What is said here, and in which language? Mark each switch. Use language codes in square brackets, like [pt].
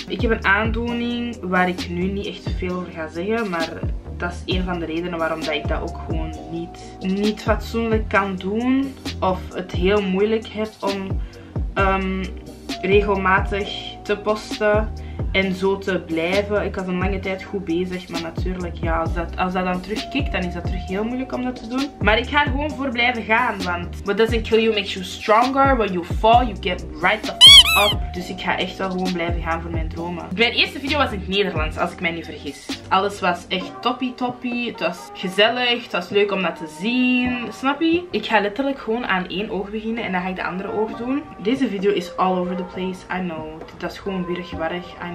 [nl] Ik heb een aandoening waar ik nu niet echt veel over ga zeggen, maar dat is een van de redenen waarom dat ik dat ook gewoon niet fatsoenlijk kan doen of het heel moeilijk heb om regelmatig te posten. En zo te blijven. Ik was een lange tijd goed bezig. Maar natuurlijk, ja, als dat dan terugkikt, dan is dat terug heel moeilijk om dat te doen. Maar ik ga er gewoon voor blijven gaan. [en] Want what doesn't kill you makes you stronger. When you fall, you get right the f*** up. [nl] Dus ik ga echt wel gewoon blijven gaan voor mijn dromen. Mijn eerste video was in het Nederlands, als ik mij niet vergis. Alles was echt toppie. Het was gezellig. Het was leuk om dat te zien. Snap je? Ik ga letterlijk gewoon aan één oog beginnen. En dan ga ik de andere oog doen. Deze video is [en] all over the place. I know. [nl] Dat is gewoon wirgwarrig.